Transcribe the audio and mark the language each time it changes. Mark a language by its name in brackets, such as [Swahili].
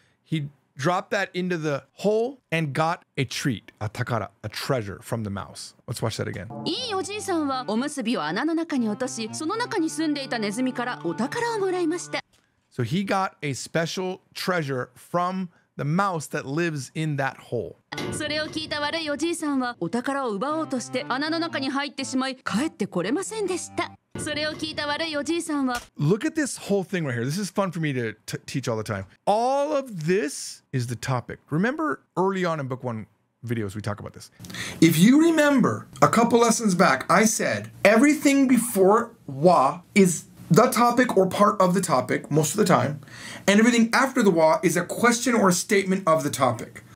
[English] He dropped that into the hole and got a treat, a takara, a treasure from the mouse. Let's watch that again. [Japanese] いいおじいさんはおむすびを穴の中に落とし、その中に住んでいたネズミからお宝をもらいました。 [English] So he got a special treasure from the mouse that lives in that hole. [Japanese] それを聞いた悪いおじいさんはお宝を奪おうとして穴の中に入ってしまい帰ってこれませんでした。それを聞いた悪いおじいさんは [English] Look at this whole thing right here. This is fun for me to teach all the time. All of this is the topic. Remember early on in book one videos we talk about this. If you remember a couple lessons back, I said everything before wa is the topic or part of the topic most of the time, and everything after the wa is a question or a statement of the topic.